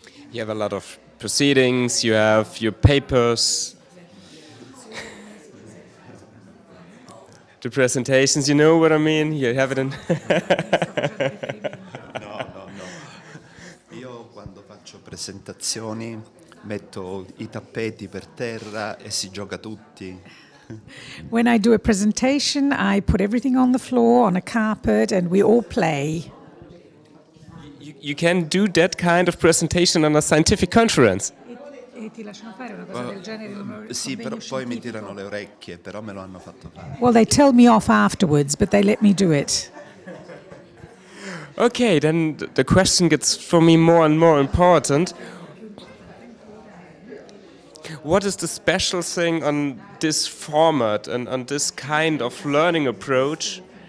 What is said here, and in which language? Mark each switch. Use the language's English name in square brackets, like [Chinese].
[English] You have a lot of proceedings, you have your papers, the presentations, you know what I mean? You have it in. No. [Italian] Io quando faccio presentazioni. Metto I tappeti per terra e si gioca tutti. [English] When I do a presentation, I put everything on the floor, on a carpet, and we all play. You can do that kind of presentation on a scientific conference. [Italian] E ti lasciano fare una cosa del genere? Sì, però poi mi tirano le orecchie, però me lo hanno fatto fare. [English] Well, they tell me off afterwards, but they let me do it. Okay, then the question gets for me more and more important. what is the special thing on this format and on this kind of learning approach?